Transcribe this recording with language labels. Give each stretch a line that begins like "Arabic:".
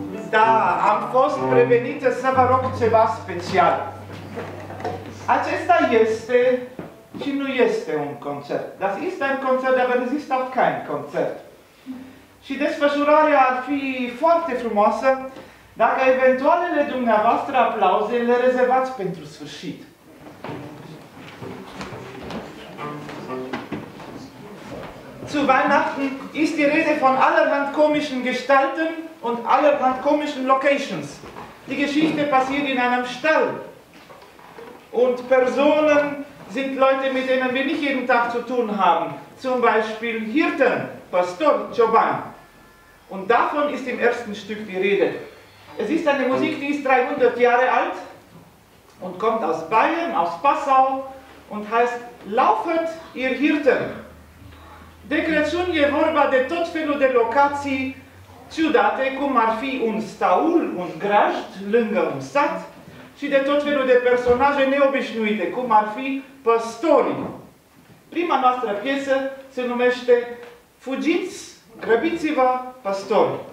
Romanian: Da, am fost prevenită să vă rog ceva special. Acesta este și nu este un concert.
German: Das ist ein Konzert, aber es ist auch kein Konzert.
Romanian: Și desfășurarea ar fi foarte frumoasă dacă eventualele dumneavoastră aplauze le rezervați pentru sfârșit.
German: Zu Weihnachten ist die Rede von allerhand komischen Gestalten und allerhand komischen Locations. Die Geschichte passiert in einem Stall. Und Personen sind Leute, mit denen wir nicht jeden Tag zu tun haben. Zum Beispiel Hirten, Pastor, Joban. Und davon ist im ersten Stück die Rede. Es ist eine Musik, die ist 300 Jahre alt und kommt aus Bayern, aus Passau und heißt Laufet, ihr Hirten.
Romanian: De Crăciun e vorba de tot felul de locații ciudate, cum ar fi un staul, un grajd, lângă un sat, și de tot felul de personaje neobișnuite, cum ar fi păstorii. Prima noastră piesă se numește Fugiți, grăbiți-vă, păstori.